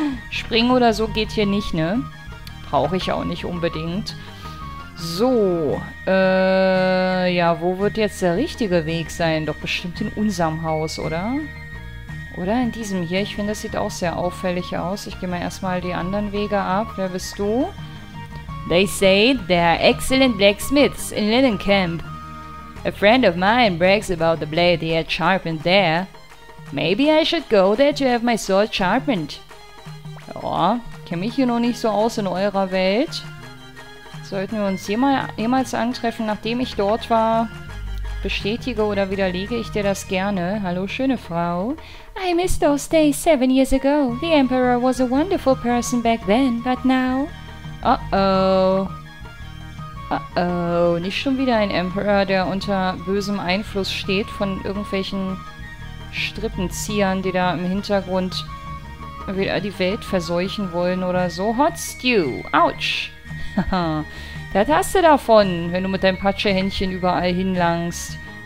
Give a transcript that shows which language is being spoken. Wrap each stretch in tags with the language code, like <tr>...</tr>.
<de>Springen oder so geht hier nicht, ne? Brauche ich auch nicht unbedingt. So, ja, wo wird jetzt der richtige Weg sein? Doch bestimmt in unserem Haus, oder? Oder in diesem hier? Ich finde, das sieht auch sehr auffällig aus. Ich gehe mal erstmal die anderen Wege ab. Wer bist du?</de> <en>They say they're excellent blacksmiths in Linen Camp. A friend of mine brags about the blade he had sharpened there. Maybe I should go there to have my sword sharpened.</en> <de>Ja, kenne mich hier noch nicht so aus in eurer Welt. Sollten wir uns jemals antreffen, nachdem ich dort war, bestätige oder widerlege ich dir das gerne. Hallo, schöne Frau.</de> <en>I miss those days 7 years ago. The Emperor was a wonderful person back then, but now...</en> <de>Uh-oh, nicht schon wieder ein Emperor, der unter bösem Einfluss steht von irgendwelchen Strippenziehern, die da im Hintergrund wieder die Welt verseuchen wollen oder so.</de> <en>Hot Stew, ouch.</en> <de>Das hast du davon, wenn du mit deinem Patschehändchen überall hinlangst.</de>